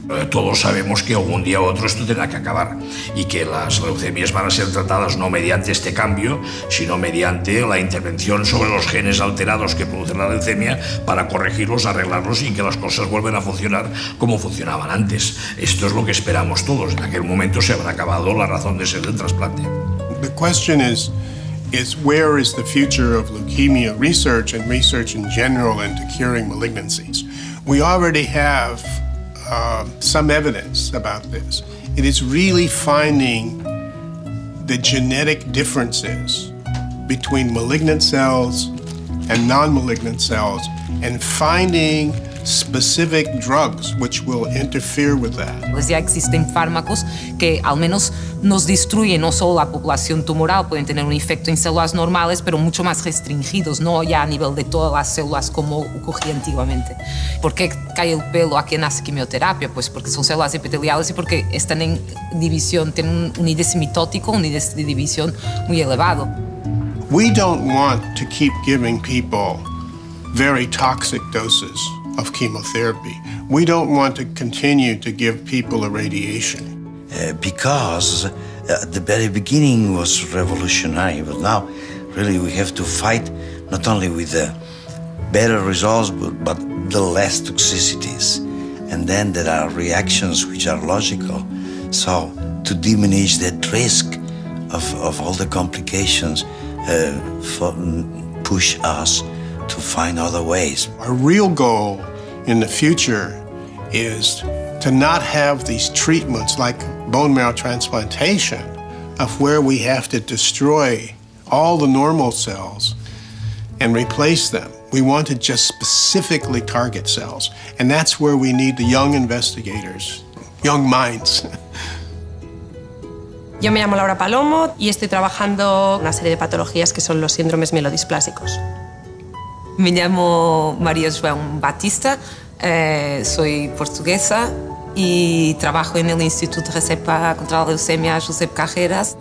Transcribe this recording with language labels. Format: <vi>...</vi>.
<es>Todos sabemos que algún día u otro esto tendrá que acabar y que las leucemias van a ser tratadas no mediante este cambio, sino mediante la intervención sobre los genes alterados que producen la leucemia para corregirlos, arreglarlos y que las cosas vuelvan a funcionar como funcionaban antes. Esto es lo que esperamos todos. En aquel momento se habrá acabado la razón de ser del trasplante.</es> <en>The question is where is the future of leukemia research and research in general into curing malignancies? We already have some evidence about this. It is really finding the genetic differences between malignant cells and non-malignant cells and finding specific drugs which will interfere with that.</en> <es>Pues ya existen fármacos que al menos nos destruyen no solo la población tumoral, pueden tener un efecto en células normales, pero mucho más restringidos, no ya a nivel de todas las células como ocurría antiguamente. ¿Por qué cae el pelo a quien hace quimioterapia? Pues porque son células epiteliales y porque están en división, tienen un índice mitótico, un índice de división muy elevado.</es> <en>We don't want to keep giving people very toxic doses of chemotherapy. We don't want to continue to give people irradiation. Because at the very beginning was revolutionary, but now really we have to fight not only with the better results, but the less toxicities. And then there are reactions which are logical. So to diminish that risk of all the complications push us to find other ways. Our real goal in the future is to not have these treatments like bone marrow transplantation of where we have to destroy all the normal cells and replace them. We want to just specifically target cells, and that's where we need the young investigators, young minds.</en> <es>Yo me llamo Laura Palomo y estoy trabajando una serie de patologías que son los síndromes mielodisplásicos. Me llamo María Joan Batista. Soy portuguesa y trabajo en el Instituto Recepa contra la Leucemia Josep Carreras.</es>